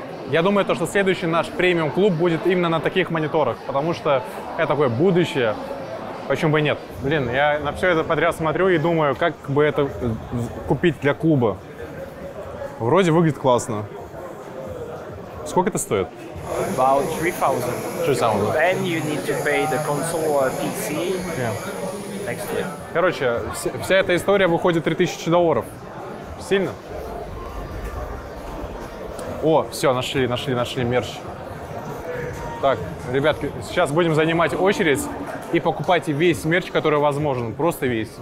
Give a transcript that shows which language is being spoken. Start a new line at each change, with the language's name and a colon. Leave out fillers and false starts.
Russian: Я думаю, что следующий наш премиум-клуб будет именно на таких мониторах, потому что это такое будущее. Почему бы и нет? Блин, я на все это подряд смотрю и думаю, как бы это купить для клуба. Вроде выглядит классно. Сколько это стоит?
English: About 3000. 3000. Then you need to pay the console or PC. Yeah. Next to it.
Russian: Короче, вся эта история выходит $3000. Сильно? О, все, нашли мерч. Так, ребятки, сейчас будем занимать очередь и покупать весь мерч, который возможен. Просто весь.